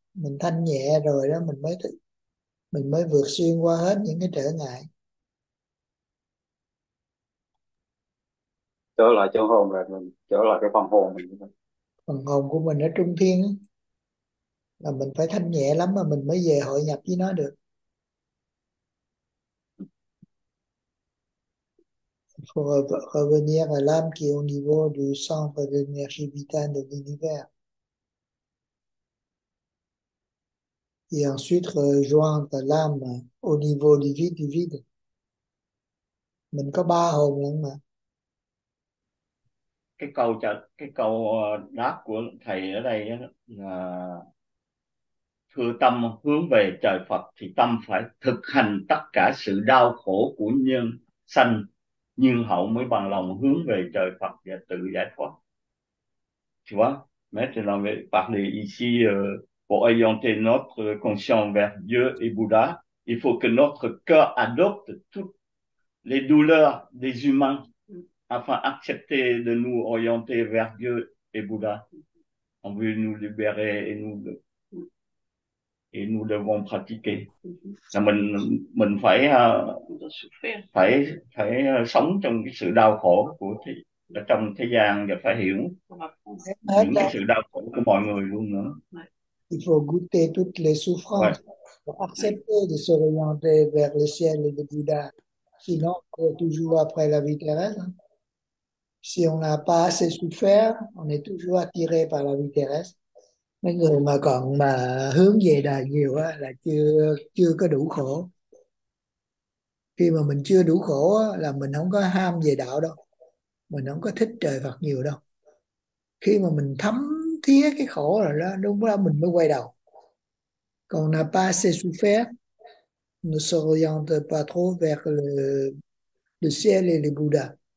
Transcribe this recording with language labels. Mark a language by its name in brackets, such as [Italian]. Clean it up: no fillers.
[Vietnamese] Mình thanh nhẹ rồi đó, mình mới vượt xuyên qua hết những cái trở ngại. Trở lại chân hồn là mình trở lại cái phần hồn mình. Phần hồn của mình ở trung thiên đó, là mình phải thanh nhẹ lắm mà mình mới về hội nhập với nó được. [French] Pour revenir à l'âme qui est au niveau du centre de l'énergie vitale de l'univers. Et ensuite rejoindre l'âme au niveau du vide, du vide. [Vietnamese] Mình có ba hồn lận mà. Cái câu đáp của thầy ở đây là thưa tâm hướng về trời Phật thì tâm phải thực hành tất cả sự đau khổ của nhân sanh, nhưng hậu mới bằng lòng hướng về trời Phật và tự giải thoát. [French] Tu vois, maître l'avait parlé ici pour orienter notre conscience vers Dieu et Bouddha, il faut que notre cœur adopte toutes les douleurs des humains afin d'accepter de nous orienter vers Dieu et Bouddha, en vue de nous libérer et nous devons pratiquer. [Vietnamese] Là mình phải phải phải sống trong cái sự đau khổ của trong thế gian và phải hiểu Hết những cái đâu. sự đau khổ của mọi người luôn nữa. [French] Faut goûter toutes les souffrances Ouais. pour accepter de se réorienter vers le ciel et le Bouddha. Sinon, on est toujours après la vie terrestre. Si on n'a pas assez souffert, on est toujours attiré par la vie terrestre. [Vietnamese] Mấy người mà còn mà hướng về đời nhiều á, là chưa chưa có đủ khổ. Khi mà mình chưa đủ khổ á, là mình không có ham về đạo đâu. Mình không có thích trời Phật nhiều đâu. Khi mà mình thấm thía cái khổ rồi đó, đúng là mình mới quay đầu. Còn [French] n'a pas assez souffert, ne s'oriente pas trop vers le ciel et le Bouddha.